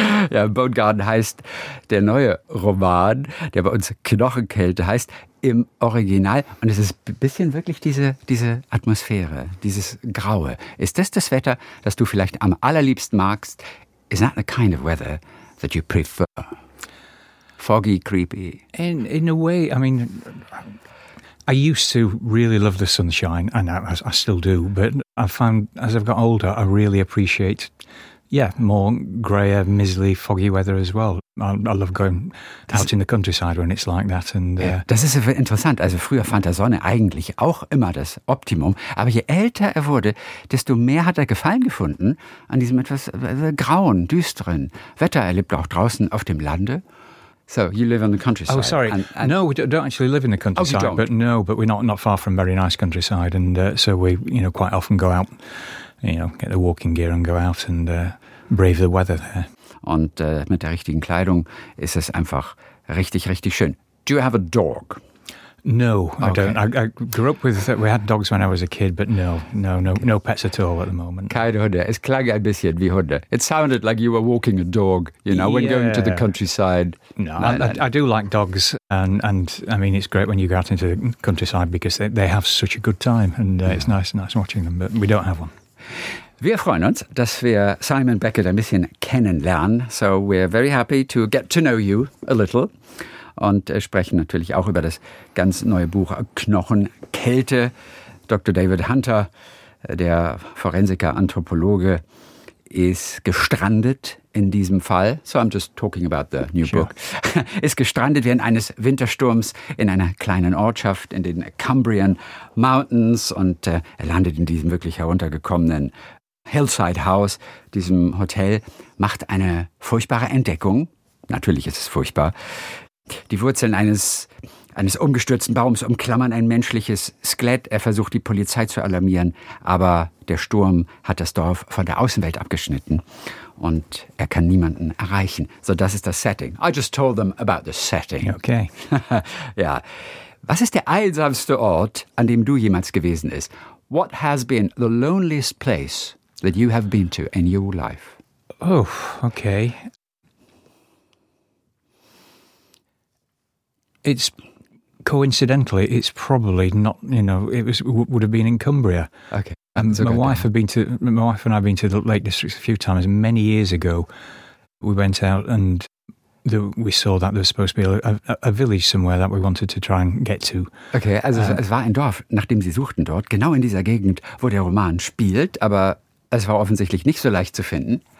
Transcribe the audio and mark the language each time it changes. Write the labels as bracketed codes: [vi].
[de] Ja, Bone Garden heißt der neue Roman, der bei uns Knochenkälte heißt, im Original. Und es ist ein bisschen wirklich diese Atmosphäre, dieses Graue. Ist das das Wetter, das du vielleicht am allerliebsten magst? [en] Is that the kind of weather that you prefer? Foggy, creepy. In a way, I mean, I used to really love the sunshine, and I still do, but I found, as I've got older, I really appreciate, more greyer, mizzly, foggy weather as well. I love going out in the countryside when it's like that. And [de] das ist interessant. Also früher fand er Sonne eigentlich auch immer das Optimum. Aber je älter er wurde, desto mehr hat er Gefallen gefunden an diesem etwas grauen, düsteren Wetter. Er lebt auch draußen auf dem Lande. [en] So, you live in the countryside. Oh, sorry. No, we don't actually live in the countryside. Oh, you don't? But we're not far from very nice countryside. And so we, quite often go out, get the walking gear and go out and brave the weather there. [de] Und mit der richtigen Kleidung ist es einfach richtig, richtig schön. [en] Do you have a dog? No, okay. I don't. I grew up with, we had dogs when I was a kid, but no pets at all at the moment. [de] Keine Hunde. Es klang ein bisschen wie Hunde. [en] It sounded like you were walking a dog, when going to the countryside. No, I do like dogs. And I mean, it's great when you go out into the countryside because they have such a good time. And it's nice watching them, but we don't have one. [de] Wir freuen uns, dass wir Simon Beckett ein bisschen kennenlernen. [en] So we're very happy to get to know you a little. [de] Und sprechen natürlich auch über das ganz neue Buch Knochenkälte. Dr. David Hunter, der Forensiker-Anthropologe, ist gestrandet in diesem Fall. [en] So I'm just talking about the new book. [de] Ist gestrandet während eines Wintersturms in einer kleinen Ortschaft in den Cumbrian Mountains. Und er landet in diesem wirklich heruntergekommenen Hillside House, diesem Hotel, macht eine furchtbare Entdeckung. Natürlich ist es furchtbar. Die Wurzeln eines umgestürzten Baums umklammern ein menschliches Skelett. Er versucht, die Polizei zu alarmieren, aber der Sturm hat das Dorf von der Außenwelt abgeschnitten und er kann niemanden erreichen. So, das ist das Setting. [en] I just told them about the setting. Okay. [de] Ja. Was ist der einsamste Ort, an dem du jemals gewesen bist? [en] What has been the loneliest place that you have been to in your life? Oh, okay. It's coincidentally, it's probably not, you know, it was would have been in Cumbria. Okay. And my wife and I have been to the Lake Districts a few times. Many years ago, we went out and we saw that there was supposed to be a village somewhere that we wanted to try and get to. [de] Okay, also es war ein Dorf, nachdem sie suchten dort, genau in dieser Gegend, wo der Roman spielt, aber es war offensichtlich nicht so leicht zu finden.